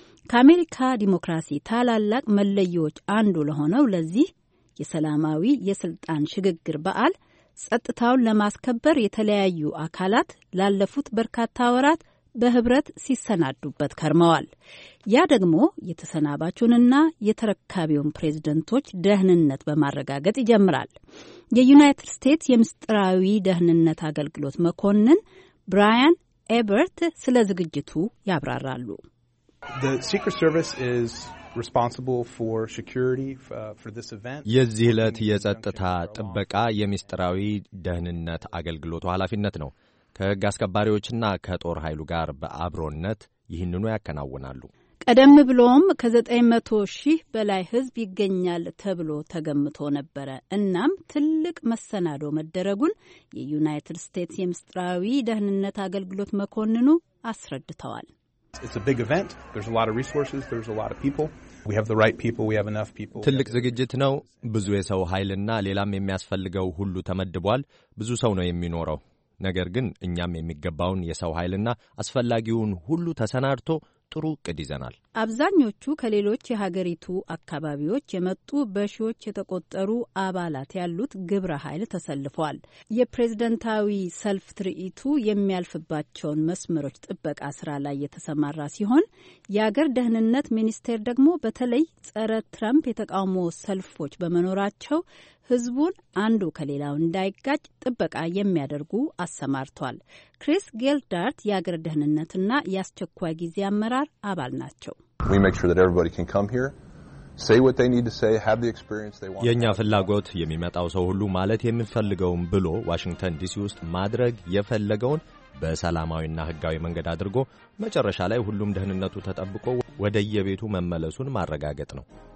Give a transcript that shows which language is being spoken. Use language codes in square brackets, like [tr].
[am] ከአሜሪካ ዲሞክራሲ ታላላቅ መለያዎች አንዱ ለሆነው ለዚህ የሰላማዊ የስልጣን ሽግግር በዓል ጸጥታውን ለማስከበር የተለያዩ አካላት ላለፉት በርካታ ወራት በህብረት ሲሰናዱበት ከርመዋል። ያ ደግሞ የተሰናባቹንና የተረካቢውን ፕሬዝደንቶች ደህንነት በማረጋገጥ ይጀምራል። የዩናይትድ ስቴትስ የምስጢራዊ ደህንነት አገልግሎት መኮንን ብራያን ኤበርት ስለ ዝግጅቱ ያብራራሉ። [en] The Secret Service is responsible for security for this event. [am] የዚህ ዕለት የጸጥታ ጥበቃ የምስጢራዊ ደህንነት አገልግሎቱ ኃላፊነት ነው። ከህግ አስከባሪዎችና ከጦር ኃይሉ ጋር በአብሮነት ይህንኑ ያከናውናሉ። ቀደም ብሎም ከ900,000 በላይ ህዝብ ይገኛል ተብሎ ተገምቶ ነበረ። እናም ትልቅ መሰናዶ መደረጉን የዩናይትድ ስቴትስ የምስጢራዊ ደህንነት አገልግሎት መኮንኑ አስረድተዋል። [en] It's a big event. There's a lot of resources. There's a lot of people. We have the right people. We have enough people. [am] ትልቅ ዝግጅት ነው። ብዙ የሰው ኃይልና ሌላም የሚያስፈልገው ሁሉ ተመድቧል። ብዙ ሰው ነው የሚኖረው። ነገር ግን እኛም የሚገባውን የሰው ኃይልና አስፈላጊውን ሁሉ ተሰናድቶ ጥሩ ቅድ ይዘናል። አብዛኞቹ ከሌሎች የሀገሪቱ አካባቢዎች የመጡ በሺዎች የተቆጠሩ አባላት ያሉት ግብረ ኃይል ተሰልፏል። የፕሬዝደንታዊ ሰልፍ ትርኢቱ የሚያልፍባቸውን መስመሮች ጥበቃ ስራ ላይ የተሰማራ ሲሆን የአገር ደህንነት ሚኒስቴር ደግሞ በተለይ ጸረ ትራምፕ የተቃውሞ ሰልፎች በመኖራቸው ህዝቡን አንዱ ከሌላው እንዳይጋጭ ጥበቃ የሚያደርጉ አሰማርቷል። ክሪስ ጌልዳርት የአገር ደህንነትና የአስቸኳይ ጊዜ አመራር አባል ናቸው። [en] We make sure that everybody can come here, say what they need to say, have the experience they want. [am] የኛ ፍላጎት የሚመጣው ሰው ሁሉ ማለት የሚፈልገውን ብሎ ዋሽንግተን ዲሲ ውስጥ ማድረግ የፈለገውን በሰላማዊና ህጋዊ መንገድ አድርጎ መጨረሻ ላይ ሁሉም ደህንነቱ ተጠብቆ ወደ የቤቱ መመለሱን ማረጋገጥ ነው።